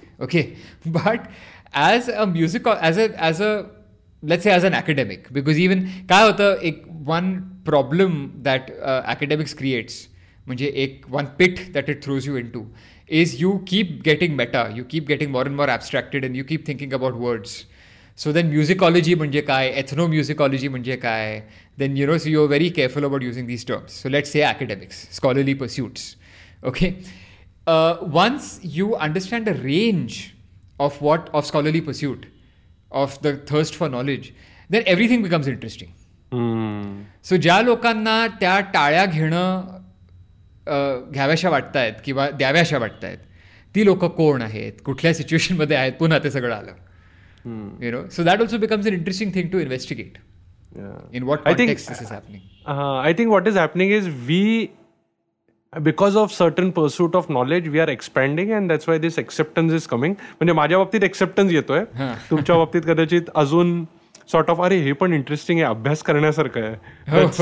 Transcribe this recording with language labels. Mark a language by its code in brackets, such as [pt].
[en] okay, but as a music as a let's say as an academic, because even [mr] काय होतं एक [en] one problem that academics creates, [mr] म्हणजे एक [en] One pit that it throws you in to, is you keep getting meta, you keep getting more and more abstracted, and you keep thinking about words. So then musicology [mr] म्हणजे काय, [en] Ethnomusicology म्हणजे काय, then you know, so you are very careful about using these terms. So let's say academics, scholarly pursuits. Okay, once you understand a range of what of scholarly pursuit of the thirst for knowledge, then everything becomes interesting. [mr] So ज्या लोकांना त्या टाळ्या घेणं घ्याव्याशा वाटतायत किंवा द्याव्याशा वाटतायत, ती लोकं कोण आहेत, कुठल्या सिच्युएशनमध्ये आहेत, पुन्हा ते सगळं आलं. Hmm. [en] You know, so that also becomes an interesting thing to investigate. Yeah. In what context this is happening. I think what is happening is we, because of certain pursuit of knowledge, we are expanding, and that's why this acceptance is coming. [mr] म्हणजे माझ्या बाबतीत acceptance येतोय. हाँ. तुमच्या बाबतीत कदाचित अजून [en] sort of, [mr] अरे हे पण interesting आहे, अभ्यास करण्यासारखं आहे.